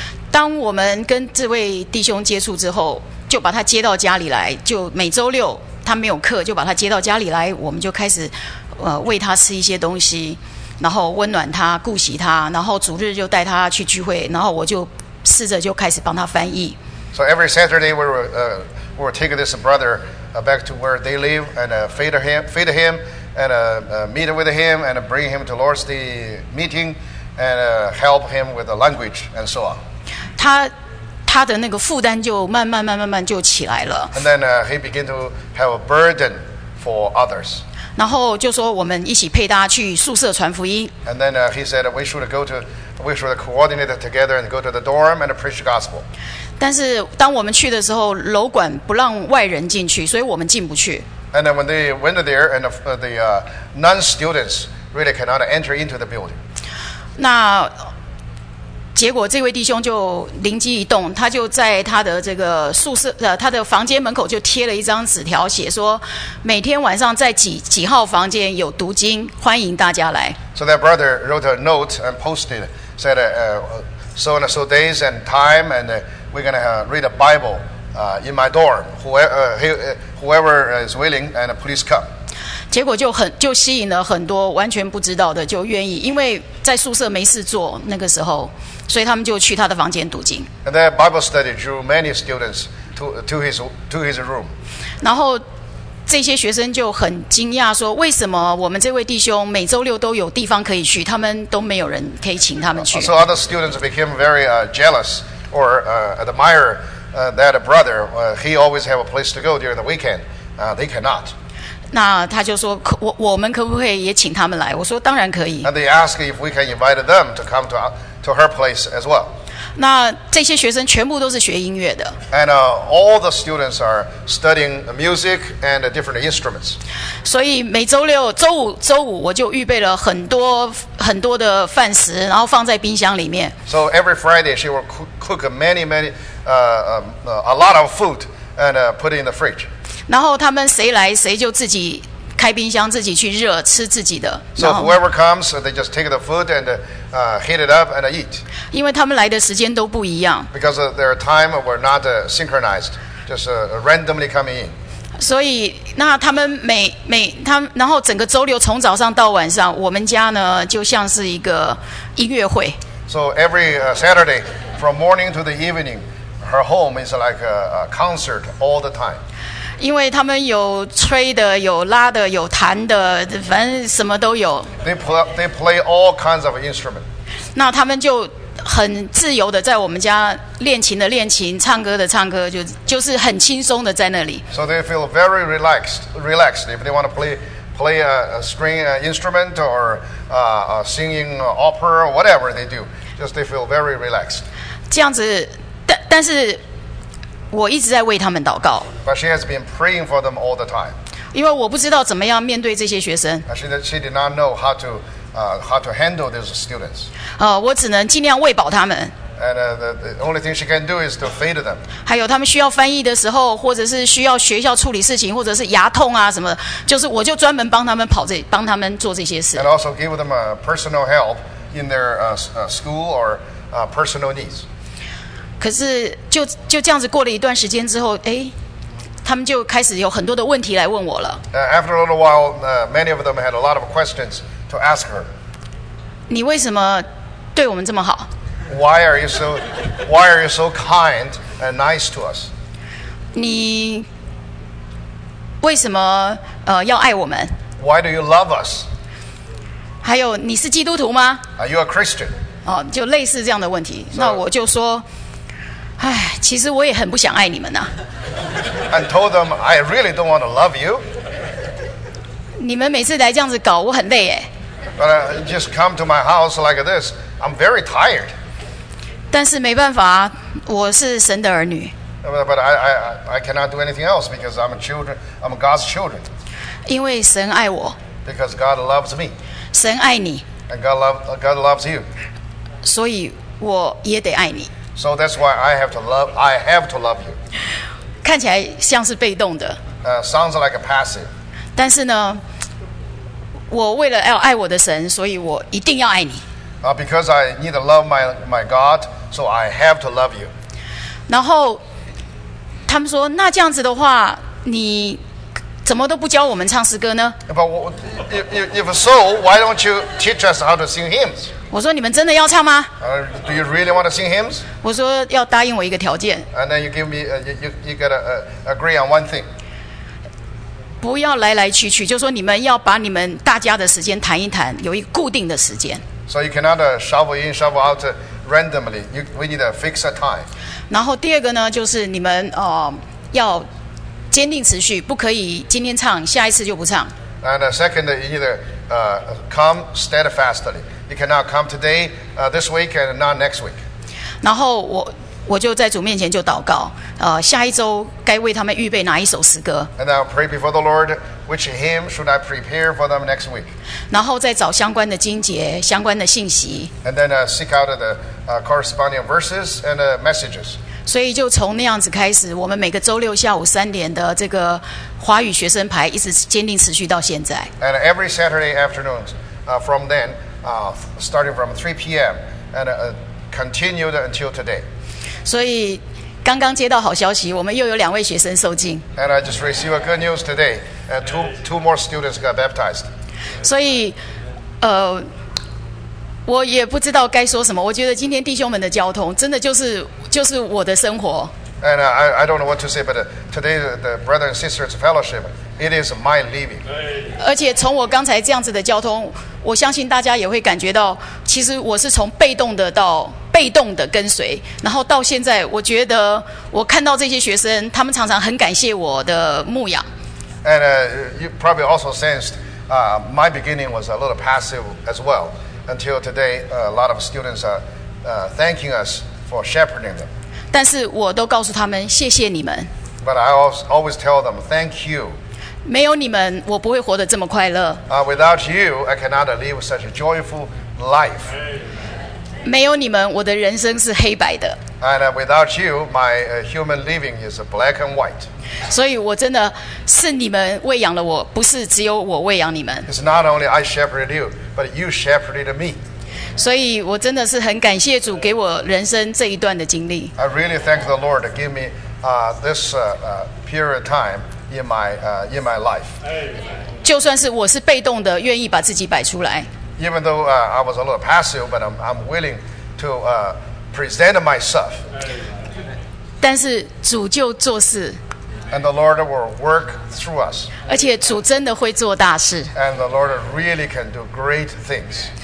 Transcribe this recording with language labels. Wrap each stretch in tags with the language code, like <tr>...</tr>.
<zh>当我们跟这位弟兄接触之后，就把他接到家里来，就每周六他没有课，就把他接到家里来，我们就开始喂他吃一些东西。然后温暖他，顾惜他，然后主日就带他去聚会，然后我就试着就开始帮他翻译。</zh> <en>So every Saturday we'll take this brother back to where they live and feed him and meet with him and bring him to Lord's Day meeting and help him with the language and so on.</en> <zh>他的那个负担就慢慢就起来了。</zh> <en>And then he began to have a burden for others.</en> <zh>然后就说我们一起陪他去宿舍传福音。</zh> <en>And then he said we should coordinate together and go to the dorm and preach the gospel.</en> <zh>但是当我们去的时候，楼管不让外人进去，所以我们进不去。</zh> <en>And then when they went there, and the non-students really cannot enter into the building.</en> <zh>那结果这位弟兄就灵机一动，他就在他的这个宿舍他的房间门口就贴了一张纸条，写说每天晚上在几号房间有读经，欢迎大家来。</zh> <en>So that brother wrote a note and posted, said, so and so days and time, and we're gonna read a Bible in my dorm. Whoever is willing, and please come.</en> <zh>结果就吸引了很多完全不知道的就愿意，因为在宿舍没事做那个时候，所以他们就去他的房间读经。</zh> <en>And that Bible study drew many students to his room.</en> <zh>然后这些学生就很惊讶说，为什么我们这位弟兄每周六都有地方可以去，他们都没有人可以请他们去。</zh> <en>So other students became very jealous or admire that brother. He always have a place to go during the weekend. They cannot.</en> <zh>那他就说我们可不可以也请他们来，我说当然可以。</zh> <en>And they ask if we can invite them to come to her place as well.</en> <zh>那这些学生全部都是学音乐的。</zh> <en>And all the students are studying music and different instruments.</en> <zh>所以每周六周五我就预备了很多很多的饭食，然后放在冰箱里面。</zh> <en>So every Friday she will cook many a lot of food and put it in the fridge.</en> <zh>然后他们谁来谁就自己开冰箱自己去热吃自己的。</zh> <en>So whoever comes, they just take the food and heat it up and eat.</en> <zh>因为他们来的时间都不一样。</zh> <en>Because their time were not synchronized, just randomly coming in.</en> <zh>所以那他们然后整个周六从早上到晚上，我们家呢就像是一个音乐会。</zh> <en>So every Saturday from morning to the evening, her home is like a concert all the time.</en> <zh>因为他们有吹的，有拉的，有弹的，反正什么都有。</zh> <en>They play all kinds of instrument.</en> <zh>那他们就很自由的在我们家练琴的练琴，唱歌的唱歌，就是很轻松的在那里。</zh> <en>So they feel very relaxed if they want to play a string instrument or singing opera or whatever they do. Just they feel very relaxed.</en> <zh>这样子，但是。我一直在为他们祷告。</zh> <en>But she has been praying for them all the time.</en> <zh>因为我不知道怎么样面对这些学生。</zh> <en>She did not know how to handle these students.</en> <zh>我只能尽量喂饱他们。</zh> <en>And the only thing she can do is to feed them.</en> <zh>还有他们需要翻译的时候，或者是需要学校处理事情，或者是牙痛啊什么，就是我就专门帮他们做这些事。</zh> <en>And also give them a personal help in their school or personal needs.</en> <zh>可是就这样子过了一段时间之后，哎，他他们就开始有很多的问题来问我了。</zh> <en>After a little while, many of them had a lot of questions to ask her.</en> <zh>你为什么对我们这么好？</zh> <en>Why are you so kind and nice to us?</en> <zh>你为什么要爱我们？</zh> <en>Why do you love us?</en> <zh>还有你是基督徒吗？</zh> <en>Are you a Christian?</en> <zh>就类似这样的问题。那我就说哎，其实我也很不想爱你们呐。</zh> <en>And told them I really don't want to love you.</en> <zh>你们每次来这样子搞，我很累哎。</zh> <en>But just come to my house like this, I'm very tired.</en> <zh>但是没办法，我是神的儿女。</zh> <en>But I cannot do anything else because I'm a children, I'm God's children.</en> <zh>因为神爱我。</zh> <en>Because God loves me.</en> <zh>神爱你。</zh> <en>And God loves you.</en> <zh>所以我也得爱你。</zh> <en>So that's why I have to love you.</en> <zh>看起来像是被动的。</zh> <en>Sounds like a passive.</en> <zh>但是呢，我为了要爱我的神，所以我一定要爱你。</zh> <en>Because I need to love my God, so I have to love you.</en> <zh>然后他们说，那这样子的话，你怎么都不教我们唱诗歌呢？</zh> <en>But if so, why don't you teach us how to sing hymns?</en> <zh>我说你们真的要唱吗？</zh> <en>Do you really want to sing hymns?</en> <zh>我说要答应我一个条件。</zh> <en>And then you give me, you gotta agree on one thing.</en> <zh>不要来来去去，就说你们要把你们大家的时间谈一谈，有一个固定的时间。</zh> <en>So you cannot shovel in, shovel out randomly. We need a fixed time.</en> <zh>然后第二个呢，就是你们要坚定持续，不可以今天唱，下一次就不唱。</zh> <en>And second, you need to come steadfastly. You cannot come today, this week, and not next week.</en> <zh>然后我就在主面前就祷告，下一周该为他们预备哪一首诗歌。</zh> <en>And I'll pray before the Lord, which hymn should I prepare for them next week?</en> <zh>然后再找相关的经节、相关的信息。</zh> <en>And then seek out the corresponding verses and messages.</en> <zh>所以就从那样子开始，我们每个周六下午三点的这个华语学生排一直坚定持续到现在。</zh> <en>And every Saturday afternoon, from then, starting from 3 p.m. and continued until today.</en> <zh>所以刚刚接到好消息，我们又有两位学生受浸。</zh> <en>And I just received a good news today, and two more students got baptized.</en> <zh>所以，我也不知道该说什么。我觉得今天弟兄们的交通真的就是我的生活。</zh> <en>And I don't know what to say, but today the brother and sisters fellowship, it is my living.</en> <zh>而且从我刚才这样子的交通，我相信大家也会感觉到，其实我是从被动的到被动的跟随，然后到现在，我觉得我看到这些学生，他们常常很感谢我的牧养。</zh> <en>And you probably also sensed, my beginning was a little passive as well. Until today, a lot of students are thanking us for shepherding them.</en> <zh>但是我都告诉他们谢谢你们。</zh> <en>But I always tell them thank you.</en> <zh>没有你们，我不会活得这么快乐。</zh> <en>Without you, I cannot live such a joyful life.</en> <zh>没有你们，我的人生是黑白的。</zh> <en>And without you, my human living is black and white.</en> <zh>所以我真的是你们喂养了我，不是只有我喂养你们。</zh> <en>It's not only I shepherded you, but you shepherded me.</en> <zh>所以我真的是很感谢主给我人生这一段的经历。</zh> <en>I really thank the Lord to give me this period of time in my life.</en> <zh>就算是我是被动的，愿意把自己摆出来。</zh> <en>Even though I was a little passive, but I'm willing to present myself.</en> <zh>但是主就做事。</zh> <en>And the Lord will work through us.</en> <zh>而且主真的会做大事。</zh> <en>And the Lord really can do great things.</en>